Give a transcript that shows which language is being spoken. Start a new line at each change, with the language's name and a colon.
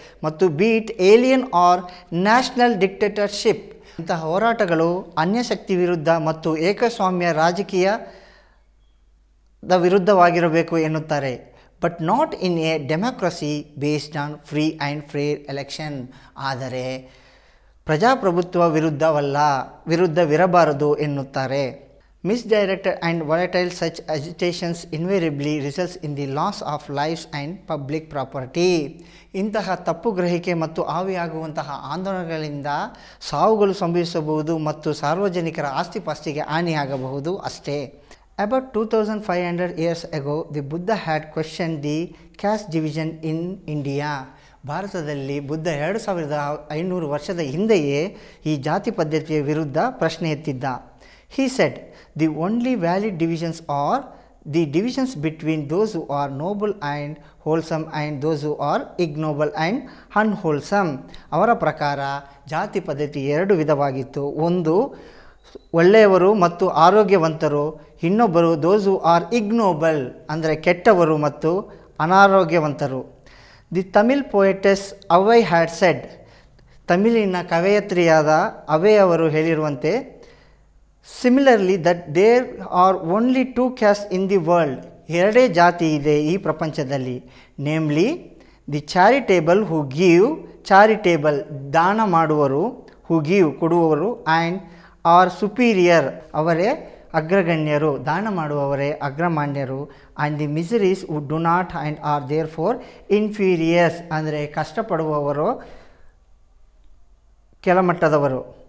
Kannada: ಮತ್ತು
English: beat alien or national dictatorship,
Kannada: ಇಂತಹ ಹೋರಾಟಗಳು ಅನ್ಯ ಶಕ್ತಿ ವಿರುದ್ಧ ಮತ್ತು ಏಕಸ್ವಾಮ್ಯ ರಾಜಕೀಯದ ವಿರುದ್ಧವಾಗಿರಬೇಕು ಎನ್ನುತ್ತಾರೆ.
English: but not in a democracy based on free and fair election,
Kannada: ಆದರೆ ಪ್ರಜಾಪ್ರಭುತ್ವ ವಿರುದ್ಧವಲ್ಲ, ವಿರುದ್ಧವಿರಬಾರದು ಎನ್ನುತ್ತಾರೆ.
English: Misdirected and volatile such agitations invariably results in the loss of lives and public property.
Kannada: ಇಂತಹ ತಪ್ಪು ಗ್ರಹಿಕೆ ಮತ್ತು ಆವಿಯಾಗುವಂತಹ ಆಂದೋಲನಗಳಿಂದ ಸಾವುಗಳು ಸಂಭವಿಸಬಹುದು ಮತ್ತು ಸಾರ್ವಜನಿಕರ ಆಸ್ತಿಪಾಸ್ತಿಗೆ ಹಾನಿಯಾಗಬಹುದು ಅಷ್ಟೇ.
English: About 2500 years ago, the Buddha had questioned the caste division in India.
Kannada: ಭಾರತದಲ್ಲಿ ಬುದ್ಧ 2500 ವರ್ಷದ ಹಿಂದೆಯೇ ಈ ಜಾತಿ ಪದ್ಧತಿಯ ವಿರುದ್ಧ ಪ್ರಶ್ನೆ ಎತ್ತಿದ್ದ.
English: He said, the only valid divisions are the divisions between those who are noble and wholesome and those who are ignoble and unwholesome.
Kannada: ಅವರ ಪ್ರಕಾರ ಜಾತಿ ಪದ್ಧತಿ ಎರಡು ವಿಧವಾಗಿತ್ತು. ಒಂದು ಒಳ್ಳೆಯವರು ಮತ್ತು ಆರೋಗ್ಯವಂತರು, ಇನ್ನೊಬ್ಬರು
English: those who are ignoble
Kannada: ಅಂದರೆ ಕೆಟ್ಟವರು ಮತ್ತು ಅನಾರೋಗ್ಯವಂತರು.
English: The Tamil poetess Avai had said,
Kannada: ತಮಿಳಿನ ಕವಯತ್ರಿಯಾದ away ಅವರು ಹೇಳಿರುವಂತೆ,
English: Similarly, that there are only two castes in the world.
Kannada: ಎರಡೇ ಜಾತಿ ಇದೆ ಈ ಪ್ರಪಂಚದಲ್ಲಿ,
English: namely the charitable who give, charitable
Kannada: ದಾನ ಮಾಡುವವರು,
English: who give
Kannada: ಕೊಡುವವರು,
English: and are superior
Kannada: ಅವರೇ ಅಗ್ರಗಣ್ಯರು, ದಾನ ಮಾಡುವವರೇ ಅಗ್ರಮಾನ್ಯರು,
English: and the miseries would do not and are therefore inferiors,
Kannada: ಅಂದರೆ ಕಷ್ಟಪಡುವವರು ಕೆಳಮಟ್ಟದವರು.